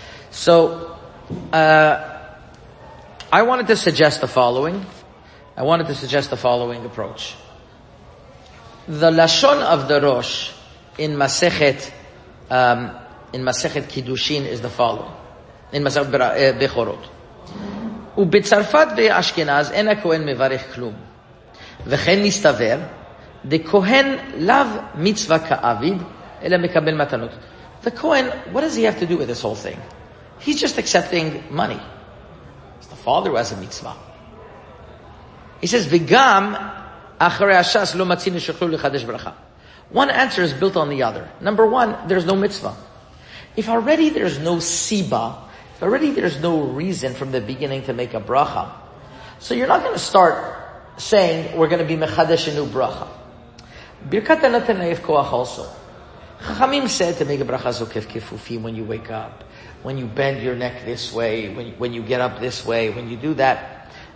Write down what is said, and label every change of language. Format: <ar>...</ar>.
<en>So, I wanted to suggest the following. I wanted to suggest the following approach. The Lashon of the Rosh in Masechet Kiddushin is the following. In Masechet Bechorot.</en> <he>ובצרפת באשכנז אין הכהן מברך כלום. וכן מסתבר, דכהן לאו מצווה כעביד, אלא מקבל מתנות.</he> <en>The Kohen, what does he have to do with this whole thing? He's just accepting money. It's the father who has a mitzvah. He says,</en> <he>וגם אחרי השס לא מצינו שיכולו לחדש ברכה.</he> <en>One answer is built on the other. Number one, there's no mitzvah. If already there's no siba, if already there's no reason from the beginning to make a bracha, so you're not going to start saying we're going to be mechadesh a new bracha. Birkat anatan ha'ef koach also. Chachamim said to make a bracha zokef kifufim when you wake up, when you bend your neck this way, when you get up this way, when you do that.</en>